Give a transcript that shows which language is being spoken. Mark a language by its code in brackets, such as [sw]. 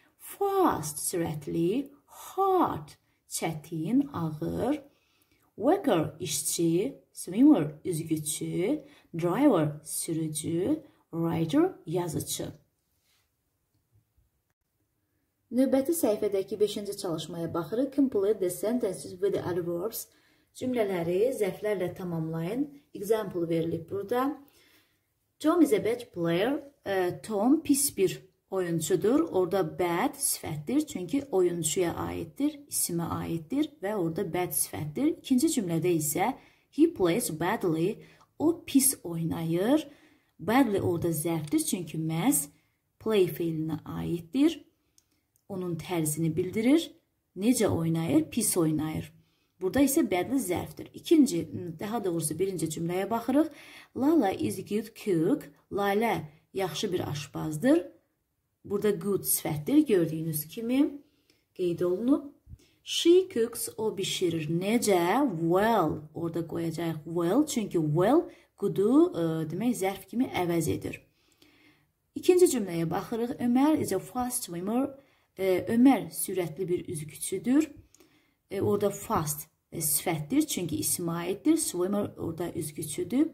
[az] Fast, sürətli. Hard, çətin, ağır. Worker, işçi. Swimmer, üzgüçü. Driver, sürücü. Writer, yazıcı. Növbəti səhifədəki 5-ci çalışmaya baxırıq. [en] Complete the sentences with the adverbs. [az] Cümlələri zərflərlə tamamlayın. [en] Example [az] verilib burada. [en] Tom is a bad player. [az] Tom pis bir oyunçudur. Orada bad sifətdir. Çünki oyunçuya aiddir, isimə aiddir və orada bad sifətdir. İkinci cümlədə isə [en] he plays badly. [az] O pis oynayır. Badly orada zərfdir. Çünki məhz play fiilinə aiddir. Onun tərzini bildirir. Necə oynayır? Pis oynayır. Burada isə badly zərfdir. İkinci, daha doğrusu birinci cümləyə baxırıq. [en] Lala is good cook. [az] Lalə yaxşı bir aşbazdır. Burada good sifətdir. Gördüyünüz kimi qeyd olunub. [en] She cooks, [az] o bişirir. Necə? Well. Orada qoyacaq well. Çünki well good'u demək zərf kimi əvəz edir. İkinci cümləyə baxırıq. Ömər is a fast swimmer. Ömər sürətli bir üzgüçüdür. Orada fast sifətdir. Çünki isim aiddir. Swimmer orada üzgüçüdür.